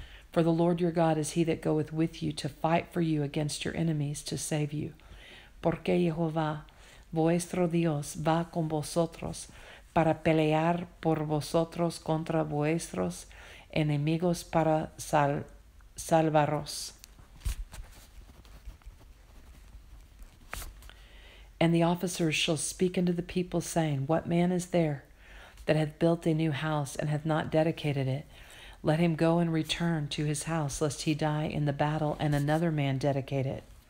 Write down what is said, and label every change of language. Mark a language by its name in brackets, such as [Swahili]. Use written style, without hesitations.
[English] For the Lord your God is He that goeth with you to fight for you against your enemies to save you. [Spanish] Porque Jehová, vuestro Dios, va con vosotros para pelear por vosotros contra vuestros enemigos para salvaros. [English] And the officers shall speak unto the people, saying, What man is there that hath built a new house and hath not dedicated it? Let him go and return to his house, lest he die in the battle and another man dedicate it.